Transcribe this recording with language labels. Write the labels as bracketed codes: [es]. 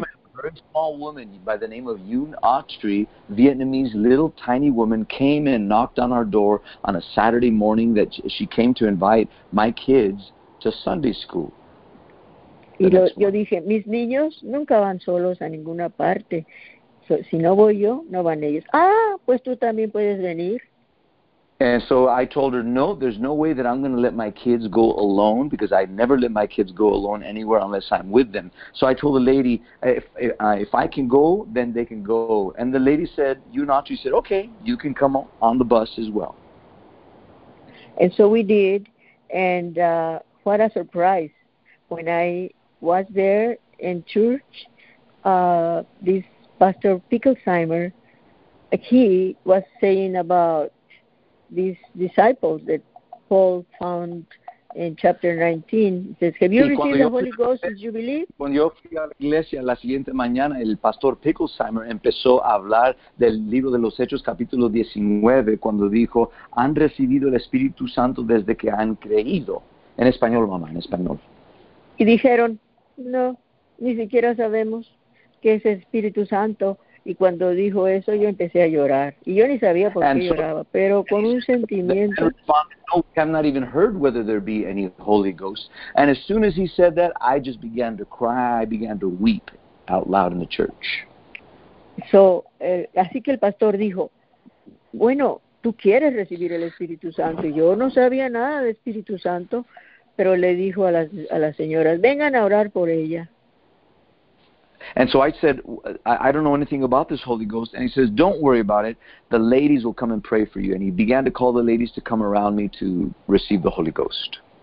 [en] About a year, very small woman by the name of Yun Autry, Vietnamese little tiny woman, came in, knocked on our door on a Saturday morning that she came to invite my kids to Sunday school. [es] Y yo dije, mis niños nunca van solos a ninguna parte. So, si no voy yo, no van ellos. Ah, pues tú también puedes venir. [en] And so I told her, no, there's no way that I'm going to let my kids go alone, because I never let my kids go alone anywhere unless I'm with them. So I told the lady, if I can go, then they can go. And the lady said, you not, she said, okay, you can come on the bus as well. And so we did. And what a surprise. When I was there in church, this Pastor Picklesheimer, he was saying about these disciples that Paul found in chapter 19. Says, have you received the Holy Ghost? Did you believe? [es] Cuando yo fui a la iglesia la siguiente mañana, el pastor Picklesheimer empezó a hablar del libro de los Hechos, capítulo 19, cuando dijo, han recibido el Espíritu Santo desde que han creído. En español, mamá, en español. Y dijeron, no, ni siquiera sabemos qué es Espíritu Santo. Y cuando dijo eso, yo empecé a llorar. Y yo ni sabía por qué lloraba, pero con un sentimiento. [en] No, I have not even heard whether there be any Holy Ghost. And as soon as he said that, I just began to cry, I began to weep out loud in the church. [es] So, así que el pastor dijo, bueno, tú quieres recibir el Espíritu Santo. Y yo no sabía nada de Espíritu Santo, pero le dijo a las señoras, vengan a orar por ella. [en] And so I said, I don't know anything about this Holy Ghost. And he says, don't worry about it. The ladies will come and pray for you. And he began to call the ladies to come around me to receive the Holy Ghost.